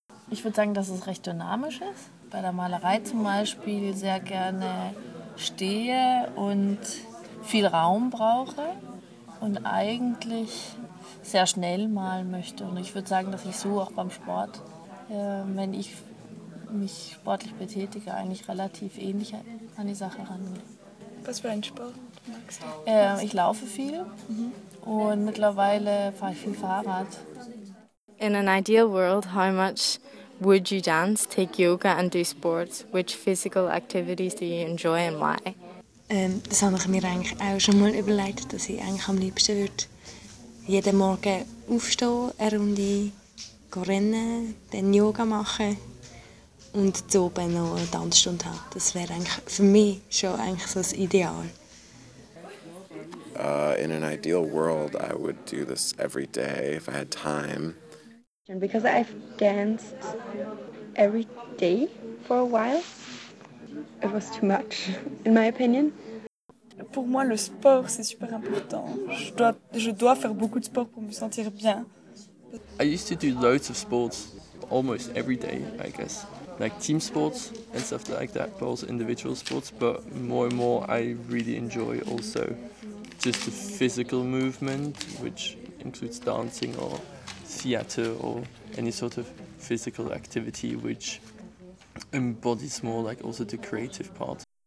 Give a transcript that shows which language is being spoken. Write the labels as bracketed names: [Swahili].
[German] Ich würde sagen, dass es recht dynamisch ist. Bei der Malerei zum Beispiel sehr gerne stehe und viel Raum brauche und eigentlich sehr schnell malen möchte. Und ich würde sagen, dass ich so auch beim Sport, wenn ich mich sportlich betätige, eigentlich relativ ähnlich an die Sache rangehe. Was für ein Sport magst du? Ich laufe viel und mittlerweile fahre ich viel Fahrrad. [English] In an ideal world, how much would you dance, take yoga and do sports? Which physical activities do you enjoy and why? [German] Das habe ich mir eigentlich auch schon mal überlegt, dass ich eigentlich am liebsten würde jeden Morgen aufstehen, eine Runde rennen, dann Yoga machen und zu oben noch eine Tanzstunde haben. Das wäre eigentlich für mich schon eigentlich so das Ideal. [English] In an ideal world, I would do this every day if I had time. Because I've danced every day for a while, it was too much, in my opinion. [French] Pour moi, le sport, c'est super important. Je dois faire beaucoup de sport pour me sentir bien. [English] I used to do loads of sports almost every day, I guess. Like team sports and stuff like that, but also individual sports. But more and more, I really enjoy also just the physical movement, which includes dancing or theater or any sort of physical activity which embodies more like also the creative part.